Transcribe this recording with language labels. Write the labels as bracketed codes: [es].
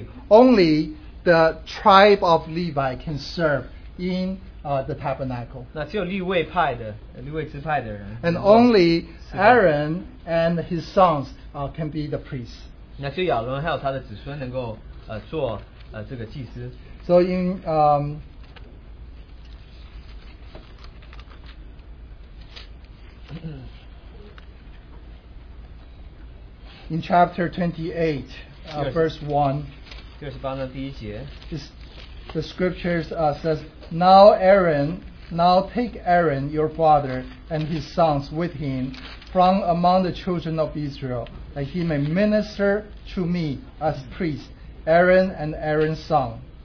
[en] Only the tribe of Levi can serve in the tabernacle. [zh] 那只有利未派的，利未支派的人。And [en] only Aaron and his sons can be the priest. [zh] 那只有亚伦还有他的子孙能够做这个祭司。So [en] in in chapter 28, verse 1, the scriptures says, Now take Aaron, your father, and his sons with him from among the children of Israel, that he may minister to me as priest, Aaron and Aaron's son.